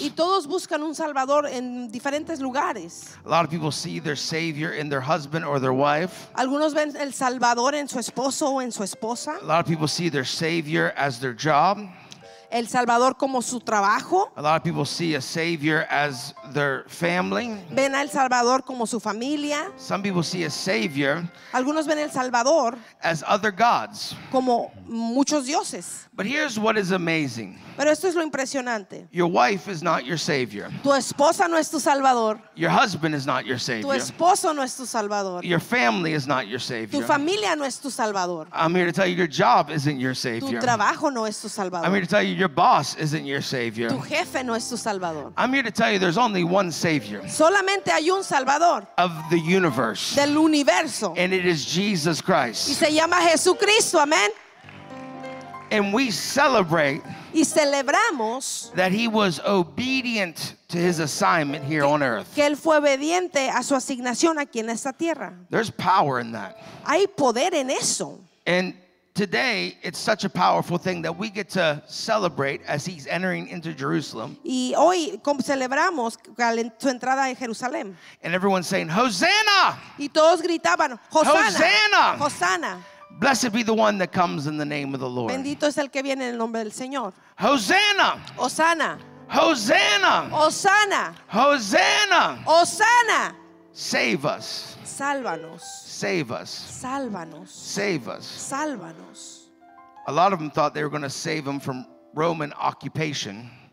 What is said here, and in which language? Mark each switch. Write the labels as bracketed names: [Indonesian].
[Spanish] Y todos buscan un salvador en diferentes lugares. [English] A lot of people see their savior in their husband or their wife. [Spanish] Algunos ven el salvador en su esposo o en su esposa. [English] A lot of people see their savior as their job. [Spanish] El Salvador como su trabajo. [English] A lot of people see a savior as their family. [Spanish] Ven al Salvador como su familia. [English] Some people see a savior. [Spanish] Algunos ven el Salvador [English] as other gods. [Spanish] Como muchos dioses. [English] But here's what is amazing. [Spanish] Pero esto es lo impresionante. [English] Your wife is not your savior. [Spanish] Tu esposa no es tu salvador. [English] Your husband is not your savior. [Spanish] Tu esposo no es tu salvador. [English] Your family is not your savior. [Spanish] Tu familia no es tu salvador. [English] I'm here to tell you your job isn't your savior. [Spanish] Tu trabajo no es tu salvador. [English] I'm here to tell you your boss isn't your savior. [Spanish] Tu jefe no es tu salvador. [English] I'm here to tell you there's only one savior. [Spanish] Solamente hay un salvador. [English] Of the universe. [Spanish] Del universo. [English] And it is Jesus Christ. [Spanish] Y se llama Jesucristo, amén. [English] And we celebrate [Spanish] y celebramos [English] that he was obedient to his assignment here on earth. [Spanish] Que él fue obediente a su asignación aquí en esta tierra. [English] There's power in that. [Spanish] Hay poder en eso. [English] And today it's such a powerful thing that we get to celebrate as he's entering into Jerusalem. [Spanish] Y hoy celebramos su entrada en Jerusalén. [English] And everyone's saying Hosanna! [Spanish] Y todos gritaban Hosanna! [English] Hosanna! Blessed be the one that comes in the name of the Lord. [Spanish] Bendito es el que viene en el nombre del Señor. [English] Hosanna! Hosanna! Hosanna! Hosanna! Hosanna! Hosanna! Save us. [Spanish] Sálvanos. [English] Save us. [Spanish] Sálvanos. [English] Save us. [Spanish] Sálvanos. [English] A lot of them thought they were going to save them from Roman occupation.